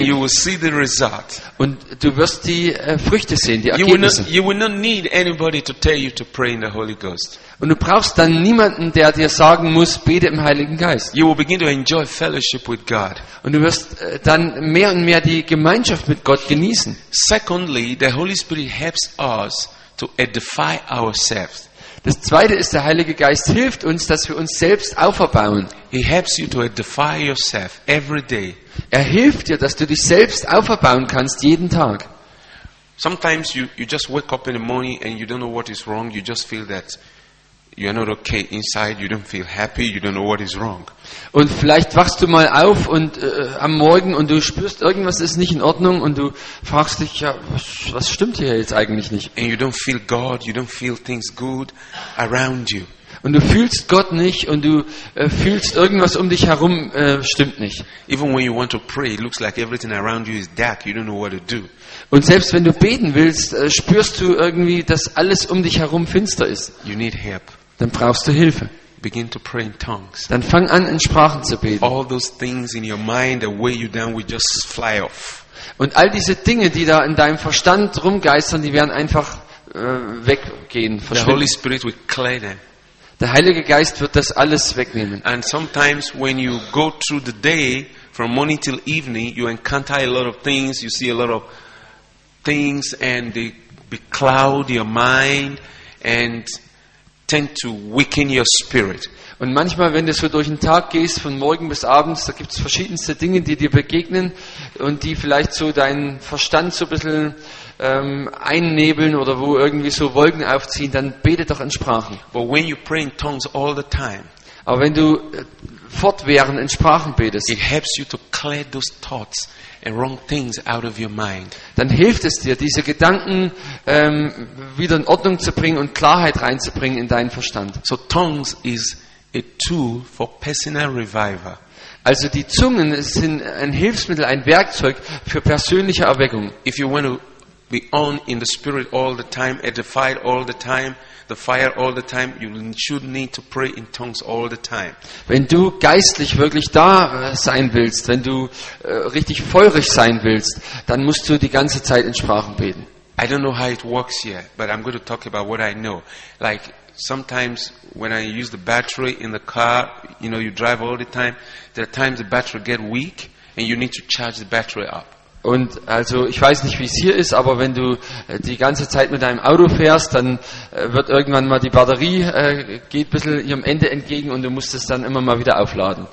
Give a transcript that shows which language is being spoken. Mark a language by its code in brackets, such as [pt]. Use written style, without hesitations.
[en] And you will see the result. [de] Und du wirst die Früchte sehen, die Ergebnisse. [en] You will not need anybody to tell you to pray in the Holy Ghost. [de] Und du brauchst dann niemanden, der dir sagen muss, bete im Heiligen Geist. [en] You will begin to enjoy fellowship with God. [de] Und du wirst dann mehr und mehr die Gemeinschaft mit Gott genießen. [en] Secondly, the Holy Spirit helps us to edify ourselves. [de] Das Zweite ist, der Heilige Geist hilft uns, dass wir uns selbst auferbauen. [en] He helps you to edify yourself every day. [de] Er hilft dir, dass du dich selbst auferbauen kannst jeden Tag. [en] Sometimes you just wake up in the morning and you don't know what is wrong. You just feel that you're not okay inside. You don't feel happy. You don't know what is wrong. [de] Und vielleicht wachst du mal auf und am Morgen und du spürst, irgendwas ist nicht in Ordnung und du fragst dich, ja, was stimmt hier jetzt eigentlich nicht? [en] And you don't feel God. You don't feel things good around you. [de] Und du fühlst Gott nicht und du fühlst irgendwas um dich herum stimmt nicht. [en] Even when you want to pray, it looks like everything around you is dark. You don't know what to do. [de] Und selbst wenn du beten willst, spürst du irgendwie, dass alles um dich herum finster ist. [en] You need help. [de] Dann brauchst du Hilfe. [en] Begin to pray in tongues. [de] Dann fang an, in Sprachen zu beten. [en] All those things in your mind that weigh you down will just fly off. [de] Und all diese Dinge, die da in deinem Verstand rumgeistern, die werden einfach weggehen, verschwinden. [en] The Holy Spirit will clear them. [de] Der Heilige Geist wird das alles wegnehmen. [en] And sometimes when you go through the day from morning till evening, you encounter a lot of things, you see a lot of things, and they becloud your mind and tend to weaken your spirit. [de] Und manchmal, wenn du so durch den Tag gehst, von morgen bis abends, da gibt es verschiedenste Dinge, die dir begegnen und die vielleicht so deinen Verstand so ein bisschen einnebeln oder wo irgendwie so Wolken aufziehen, dann bete doch in Sprachen. [en] But when you pray in tongues all the time, [de] aber wenn du fortwährend in Sprachen betest, [en] it helps you to clear those thoughts and wrong things out of your mind. [de] Dann hilft es dir, diese Gedanken wieder in Ordnung zu bringen und Klarheit reinzubringen in deinen Verstand. [en] So tongues is a tool for personal revival. [de] Also die Zungen sind ein Hilfsmittel, ein Werkzeug für persönliche Erweckung. [en] If you want to be on in the spirit all the time, edified all the time, the fire all the time, you should need to pray in tongues all the time. [de] Wenn du geistlich wirklich da sein willst, wenn du richtig feurig sein willst, dann musst du die ganze Zeit in Sprachen beten. [en] I don't know how it works yet, but I'm going to talk about what I know. Like sometimes when I use the battery in the car, you know, you drive all the time, there are times the battery get weak and you need to charge the battery up. [de] Und also ich weiß nicht, wie es hier ist, aber wenn du die ganze Zeit mit deinem Auto fährst, dann wird irgendwann mal die Batterie geht ein bisschen ihrem Ende entgegen und du musst es dann immer mal wieder aufladen.